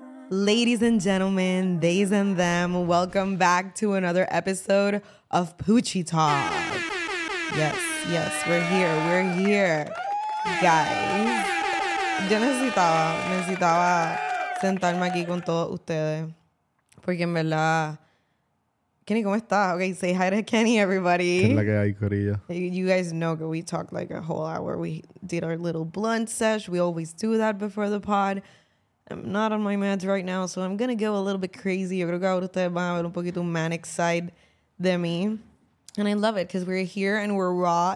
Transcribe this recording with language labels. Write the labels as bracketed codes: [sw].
[en] Ladies and gentlemen, theys and them, welcome back to another episode of Poochie Talk. Yes, yes, we're here. [es] Guys, yo necesitaba sentarme aquí con todos ustedes. Porque en verdad, Kenny, ¿cómo estás? [en] Okay, say hi to Kenny, everybody. [es] ¿Qué es la que hay, Corilla? [en] You guys know that we talked like a whole hour. We did our little blunt sesh. We always do that before the pod. I'm not on my meds right now, so I'm going to go a little bit crazy. [es] Yo creo que ahora ustedes van a ver un poquito un [en] manic side [es] de mí. [en] And I love it, because we're here and we're raw.